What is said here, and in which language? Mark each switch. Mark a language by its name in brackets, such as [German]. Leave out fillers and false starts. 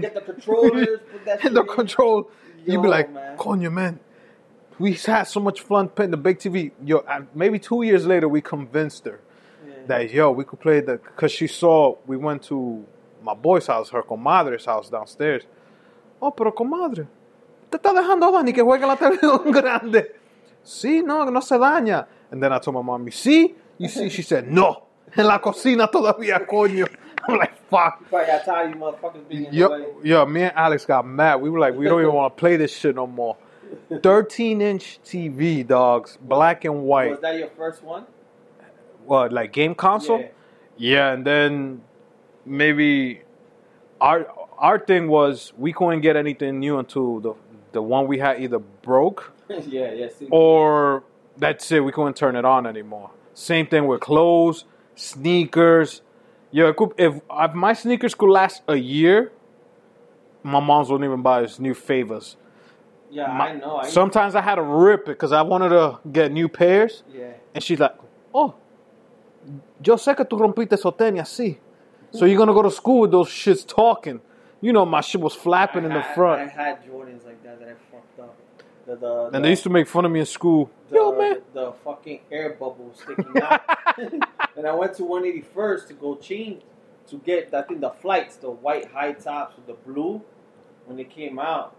[English] Get the controllers. Put that shit the control. You'd be like, coño, man. We had so much fun putting the big TV. Yo, maybe 2 years later, we convinced her. Yeah. that, yo, we could play the, because she saw, we went to my boy's house, her comadre's house downstairs. [Spanish] Oh, pero comadre, te está dejando Dani que juegue la televisión grande. Sí, no, no se daña. [English] And then I told my mom, you see? You see? She said, no. [Spanish] En la cocina todavía, coño. [English] I'm like, fuck. You probably got tired, you motherfuckers being in the way. Yo, me and Alex got mad. We were like, we don't even want to play this shit no more. 13-inch TV, dogs. Black and white. Was that your first one? What, like game console? Yeah. Yeah, and then maybe our thing was we couldn't get anything new until the one we had either broke. Yeah, or that's it. We couldn't turn it on anymore. Same thing with clothes, sneakers. Yo, if my sneakers could last a year, my mom's wouldn't even buy us new Favors. Yeah, I know. Sometimes I had to rip it because I wanted to get new pairs. Yeah. And she's like, [Spanish] oh, yo sé que tú rompiste esos tenis, así. [English] So you're going to go to school with those shits talking. You know, my shit was flapping in the front. I had Jordans like that that I fucked up. They used to make fun of me in school. The fucking air bubble sticking out. And I went to 181st to go change to get, I think, the flights, the white high tops with the blue when they came out.